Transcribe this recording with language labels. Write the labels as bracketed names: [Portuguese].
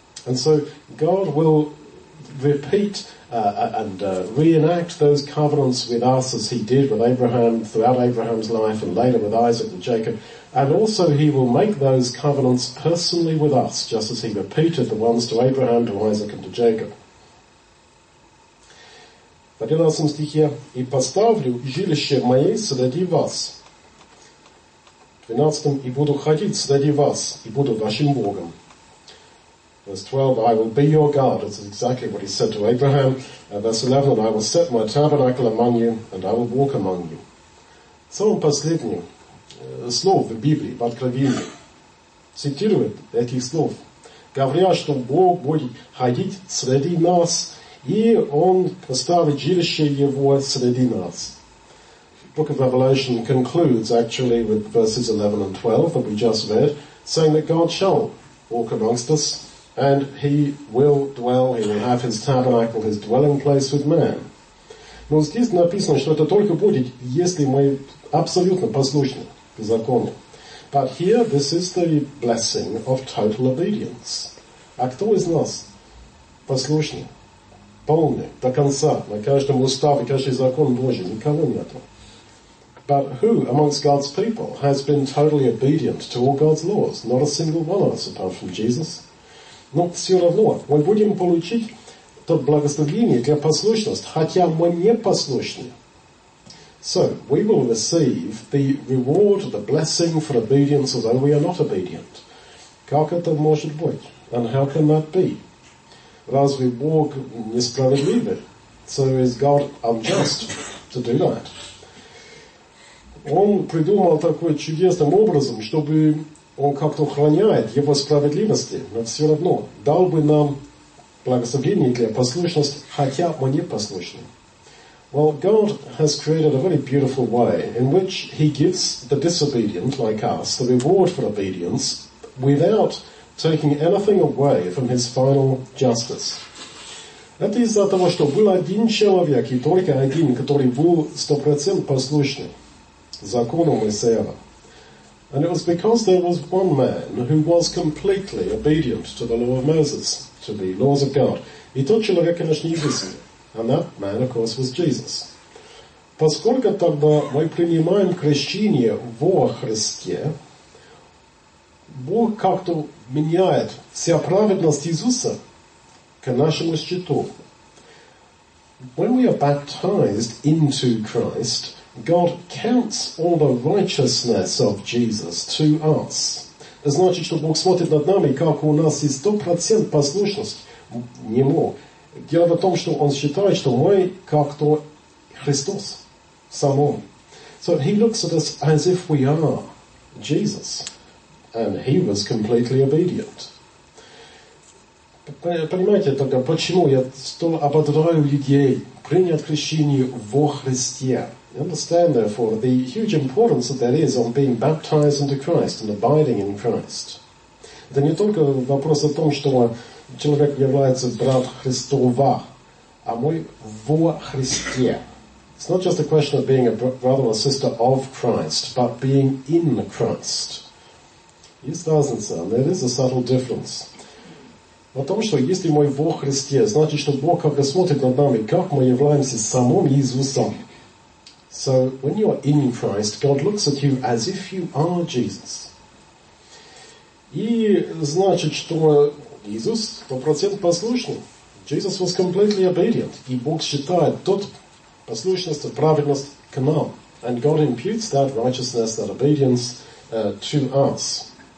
[English] And so God will repeat reenact those covenants with us as he did with Abraham throughout Abraham's life and later with Isaac and Jacob. And also he will make those covenants personally with us, just as he repeated the ones to Abraham, to Isaac and to Jacob. [Russian] В 11 стихе, «И поставлю жилище мое среди вас». В 12-м, «И буду ходить среди вас, и буду вашим Богом». [English] Verse 12, I will be your God. This is exactly what he said to Abraham. Verse 11, I will set my tabernacle among you, and I will walk among you. [Russian] Самое последнее слово в Библии, в Откровении, цитирует этих слов, говоря, что Бог будет ходить среди нас, и Он поставит жилище Его среди нас. [English] The book of Revelation concludes, actually, with verses 11 and 12 that we just read, saying that God shall walk amongst us, and he will dwell, he will have his tabernacle, his dwelling place with man. [Russian] Но здесь написано, что это только будет, если мы абсолютно послушны к закону. [English] But here, this is the blessing of total obedience. [Russian] А кто из нас послушный, полный, до конца, на каждом уставе, каждый закон Божий? Никого нет. [English] But who amongst God's people has been totally obedient to all God's laws? Not a single one of us, apart from Jesus. [Russian] Но все равно мы будем получить то благословение для послушности, хотя мы не послушны. [English] So, we will receive the reward, the blessing for obedience, although we are not obedient. [Russian] Как это может быть? [English] And how can that be? [Russian] Разве Бог несправедливый? [English] So is God unjust to do that? [Russian] Он придумал такой чудесным образом, чтобы Он как-то охраняет Его справедливости, но все равно дал бы нам благословение для послушности, хотя мы не послушны. [English] Well, God has created a very beautiful way in which He gives the disobedient, like us, the reward for obedience without taking anything away from His final justice. [Russian] Это из-за того, что был один человек, и только один, который был 100% послушный закону Моисеева. [English] And it was because there was one man who was completely obedient to the law of Moses, to the laws of God. [Russian] И тот человек, конечно, единственный. [English] And that man, of course, was Jesus. [Russian] Поскольку тогда мы принимаем крещение во Христе, Бог как-то меняет вся праведность Иисуса к нашему счету. [English] When we are baptized into Christ, God counts all the righteousness of Jesus to us. [Russian] Это значит, что Бог смотрит над нами, как у нас есть 100% послушность Нему. Дело в том, что Он считает, что мы как-то Христос самом. [English] So He looks at us as if we are Jesus. And He was completely obedient. [Russian] Понимаете тогда, почему я столь ободряю людей принять крещение во Христе? [English] You understand, therefore, the huge importance that there is on being baptized into Christ and abiding in Christ. [Russian] Это не только вопрос о том, что человек является брат Христова, а мы во Христе [English] It's not just a question of being a brother or sister of Christ, but being in Christ. [Russian] Есть разница. [English] There is a subtle difference. [Russian] В том, что если мы во Христе, значит, что Бог как бы смотрит над нами, как мы являемся самим Иисусом. [English] So, when you are in Christ, God looks at you as if you are Jesus. [Russian] И значит, что Иисус 100% послушный. [English] Jesus was completely obedient. [Russian] И Бог считает тот послушность, праведность к нам. [English] And God imputes that righteousness, that obedience to us.